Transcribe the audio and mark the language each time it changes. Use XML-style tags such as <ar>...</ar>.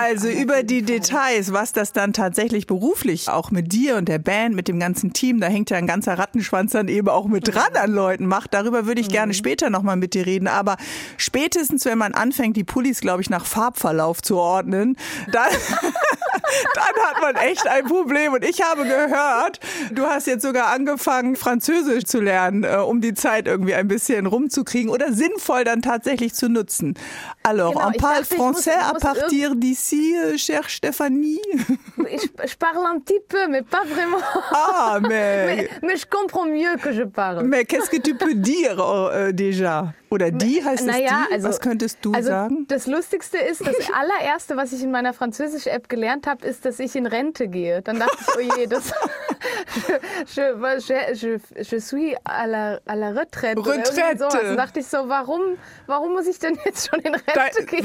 <de>Also über die Details, was das dann tatsächlich beruflich auch mit dir und der Band, mit dem ganzen Team, da hängt ja ein ganzer Rattenschwanz dann eben auch mit dran an Leuten macht, darüber würde ich gerne später nochmal mit dir reden, aber spätestens, wenn man anfängt, die Pullis, glaube ich, nach Farbverlauf zu ordnen, dann hat man echt ein Problem. Und ich habe gehört, du hast jetzt sogar angefangen, Französisch zu lernen, um die Zeit irgendwie ein bisschen rumzukriegen oder sinnvoll dann tatsächlich zu nutzen.</de> <fr>Alors, genau, on parle français à partir d'ici, chère Stéphanie. Je parle un petit peu, mais pas vraiment. Ah, mais... mais je comprends mieux que je parle. Mais qu'est-ce que tu peux dire déjà?</fr> <de>Oder die heißt naja, es die? Also, was könntest du also sagen? Das Lustigste ist, das allererste, was ich in meiner Französisch-App gelernt habe, ist, dass ich in Rente gehe. Dann dachte ich, oh je, das...</de> <fr>je suis à la retraite. Retraite. So.</fr> <de>Dann dachte ich so, warum muss ich denn jetzt schon in Rente gehen?</de>